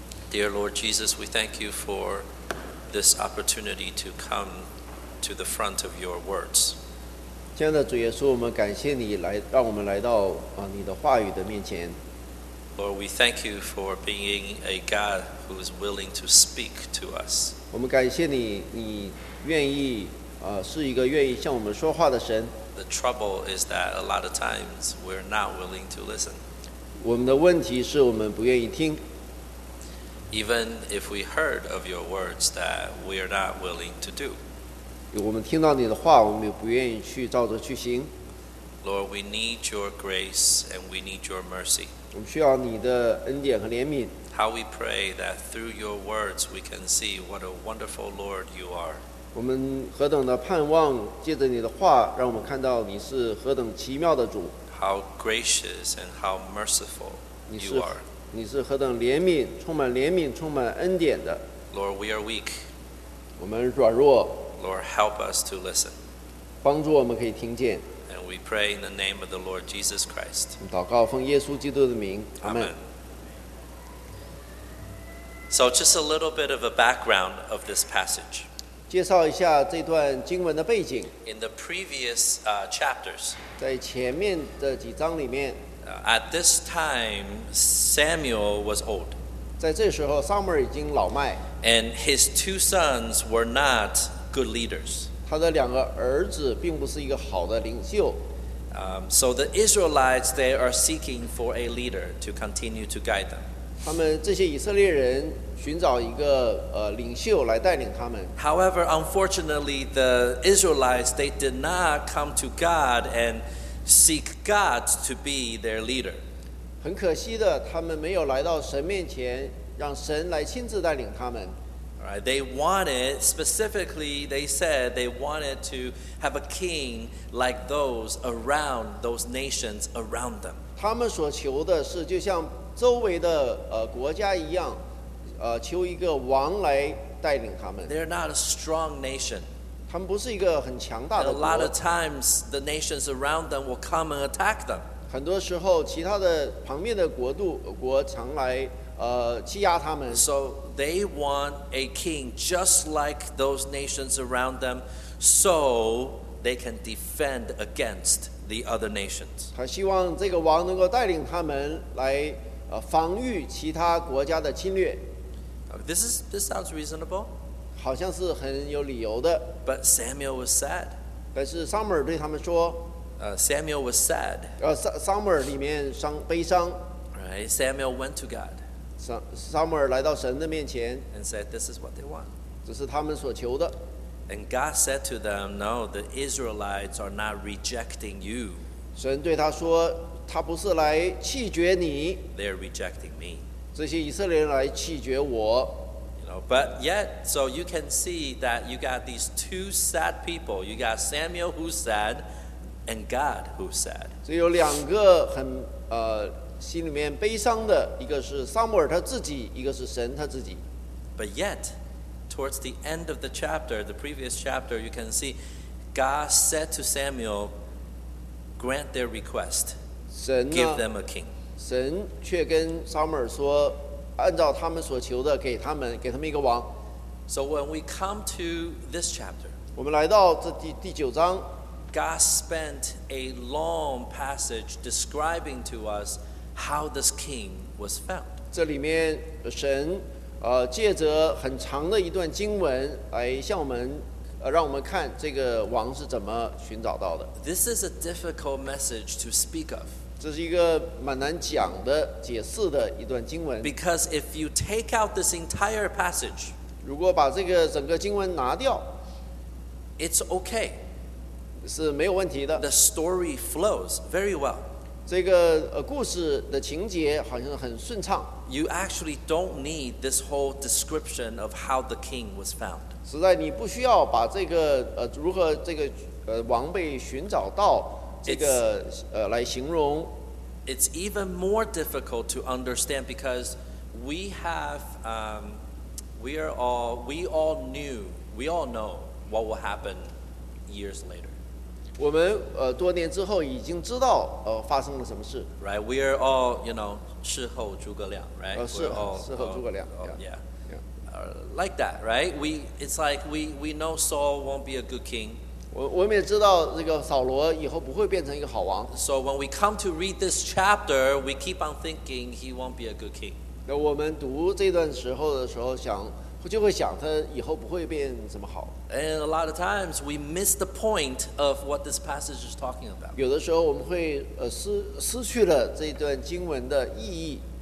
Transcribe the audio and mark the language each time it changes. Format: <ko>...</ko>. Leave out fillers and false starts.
<en>Dear Lord Jesus, we thank you for this opportunity to come to the front of your words.</en> <zh>亲爱的主耶稣，我们感谢你来，让我们来到你的话语的面前。</zh> <en>Lord, we thank you for being a God who is willing to speak to us.</en> <zh>我们感谢你，你愿意是一个愿意向我们说话的神。</zh> <en>The trouble is that a lot of times we're not willing to listen.</en> <zh>我们的问题是我们不愿意听。</zh> <en>Even if we heard of your words that we are not willing to do.</en> <zh>我们听到你的话，我们也不愿意去照着去行。</zh> <en>Lord, we need your grace and we need your mercy.</en> <zh>我们需要你的恩典和怜悯。</zh> <en>How we pray that through your words we can see what a wonderful Lord you are.</en> <zh>我们何等的盼望，借着你的话，让我们看到你是何等奇妙的主。</zh> <en>How gracious and how merciful you are！</en> <zh>你是何等怜悯，充满怜悯，充满恩典的。</zh> <en>Lord, we are weak。</en> <zh>我们软弱。</zh> <en>Lord, help us to listen。</en> <zh>帮助我们可以听见。</zh> <en>And we pray in the name of the Lord Jesus Christ。</en> <zh>祷告奉耶稣基督的名。</zh> <en>Amen。 So just a little bit of a background of this passage.</en> <zh>介绍一下这段经文的背景。</zh> <en>In the previous chapters,</en> <zh>在前面的几章里面</zh> <en>at this time, Samuel was old.</en> <zh>在这时候 Samuel 已经老迈。</zh> <en>And his two sons were not good leaders.</en> <zh>他的两个儿子并不是一个好的领袖。</zh> <en>So the Israelites, they are seeking for a leader to continue to guide them.</en> <zh>他们这些以色列人寻找一个领袖来带领他们。</zh> <en>However, unfortunately, the Israelites, they did not come to God and seek God to be their leader.</en> <zh>很可惜的，他们没有来到神面前，让神来亲自带领他们。</zh> <en>All right, they wanted, specifically, they said they wanted to have a king like those around those nations around them.</en> <zh>他们所求的是就像周围的国家一样，求一个王来带领他们。</zh> <en>They're not a strong nation.</en> <zh>他们不是一个很强大的国。</zh> <en>A lot of times, the nations around them will come and attack them.</en> <zh>很多时候，其他的旁边的国常来欺压他们。</zh> <en>So they want a king just like those nations around them, so they can defend against the other nations.</en> <zh>他希望这个王能够带领他们来。防御其他国家的侵略。</zh> <en>This sounds reasonable.</en> <zh>好像是很有理由的。</zh> <en>But Samuel was sad.</en> <zh>但是 Samuel 对他们说。</zh> <en>Samuel was sad.</en> <zh>Samuel 里面悲伤。</zh> <en>Right. Samuel went to God.</en> <zh>Samuel 来到神的面前。</zh> <en>And said, "This is what they want."</en> <zh>这是他们所求的。</zh> <en>And God said to them, "No, the Israelites are not rejecting you."</en> <zh>神对他说。他不是来弃绝你</zh> <en>They're rejecting me.</en> <zh>这些以色列人来弃绝我</zh> <en>you know, But yet, so you can see that you got these two sad people. You got Samuel who's sad and God who's sad.</en> <zh>所以有两个很心里面悲伤的，一个是撒母耳他自己，一个是神他自己。</zh> <en>But yet, towards the end of the chapter, the previous chapter, you can see God said to Samuel, grant their request. Give them a king.</en> <zh>神却跟撒母耳说，按照他们所求的，给他们一个王。</zh> <en>So when we come to this chapter,</en> <zh>我们来到这第九章。</zh> <en>God spent a long passage describing to us how this king was found.</en> <zh>这里面神借着很长的一段经文来向我们。让我们看这个王是怎么寻找到的。</zh> <en>This is a difficult message to speak of.</en> <zh>这是一个蛮难讲的、解释的一段经文。</zh> <en>Because if you take out this entire passage,</en> <zh>如果把这个整个经文拿掉</zh> <en>，it's okay.</en> <zh>是没有问题的。</zh> <en>The story flows very well.</en> <zh>这个故事的情节好像很顺畅。</zh> <en>You actually don't need this whole description of how the king was found.</en> <zh>实在你不需要把这个如何这个王被寻找到这个来形容。</zh> <en>It's even more difficult to understand because we have we all know what will happen years later.</en> <zh>我们多年之后已经知道发生了什么事。</zh> <en>Right, we are all you know</en> <zh>事后诸葛亮</zh> <en>，right?</en> <zh>事后诸葛亮</zh> <en>，yeah. Like that, right? We know Saul won't be a good king.</en> <zh>我们也知道这个扫罗以后不会变成一个好王。</zh> <en>So when we come to read this chapter, we keep on thinking he won't be a good king.</en> <zh>那我们读这段时候的时候想，就会想他以后不会变怎么好。</zh> <en>And a lot of times we miss the point of what this passage is talking about.</en> <zh>有的时候我们会失去了这段经文的意义。</zh>